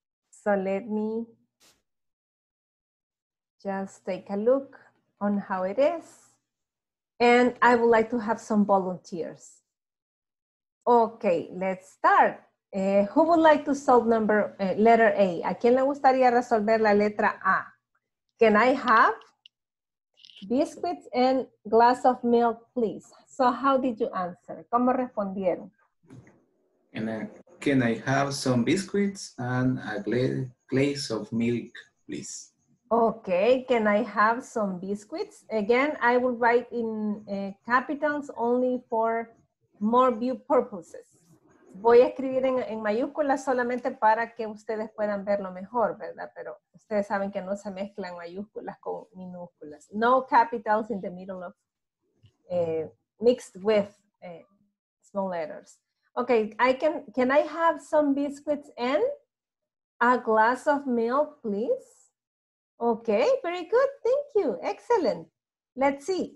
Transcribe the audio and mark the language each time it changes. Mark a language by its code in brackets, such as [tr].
[en] So let me just take a look on how it is. And I would like to have some volunteers. Okay, let's start. Who would like to solve number letter A? [es] ¿A quién le gustaría resolver la letra A? [en] Can I have biscuits and glass of milk, please? So how did you answer? [es] ¿Cómo respondieron? [en] Can I have some biscuits and a glass of milk, please? Okay, can I have some biscuits? Again, I will write in capitals only for more view purposes. [es] Voy a escribir en mayúsculas solamente para que ustedes puedan verlo mejor, ¿verdad? Pero ustedes saben que no se mezclan mayúsculas con minúsculas. [en] No capitals in the middle of, mixed with small letters. Okay, can I have some biscuits and a glass of milk, please? Okay, very good. Thank you. Excellent. Let's see.